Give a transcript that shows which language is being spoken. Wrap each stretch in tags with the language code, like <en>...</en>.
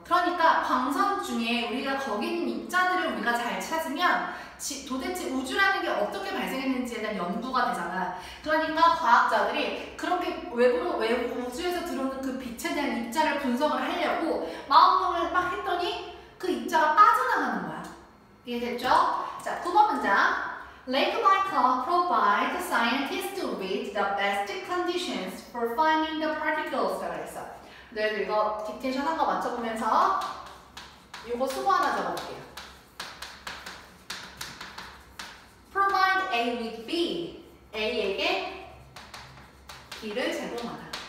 <ko>그러니까 광선 중에 우리가 거기 있는 입자들을 우리가 잘 찾으면 도대체 우주라는 게 어떻게 발생했는지에 대한 연구가 되잖아. 그러니까 과학자들이 그렇게 외부 우주에서 들어오는 그 빛에 대한 입자를 분석을 하려고 마음먹을 막 했더니 그 입자가 빠져나가는 거야. 이해됐죠? 자, 9번 문장.</ko> <en>Lake Baikal provides scientists with the best conditions for finding the particles.</en> <ko>라고 했어. 너희들 이거 딕테이션 한 거 맞춰보면서 이거 수고 하나 적어볼게요.</ko> <en>Provide A with B.</en> <ko>A에게 B를 제공하다.</ko>